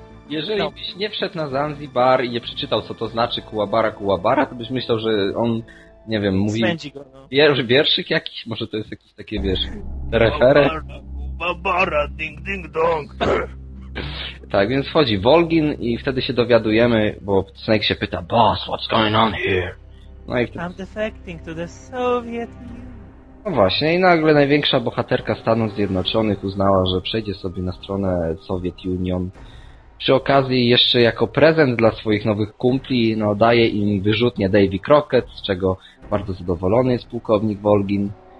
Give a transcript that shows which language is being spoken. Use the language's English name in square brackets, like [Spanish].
[Polish] Jeżeli byś nie wszedł na Zanzibar i nie przeczytał, co to znaczy kuabara, kuabara, to byś myślał, że on, nie wiem, mówi... Spędzi go, no. Wierszyk jakiś, może to jest jakiś taki, wiesz, referę. Kuabara, ding, ding, dong. Tak, więc wchodzi Volgin i wtedy się dowiadujemy, bo Snake się pyta, [English] boss, what's going on here? [Polish] No i wtedy... [English] I'm defecting to the Soviet Union. [Polish] No właśnie, i nagle największa bohaterka Stanów Zjednoczonych uznała, że przejdzie sobie na stronę Soviet Union. Przy okazji jeszcze jako prezent dla swoich nowych kumpli, no daje im wyrzutnie Davy Crockett, z czego bardzo zadowolony jest pułkownik Volgin.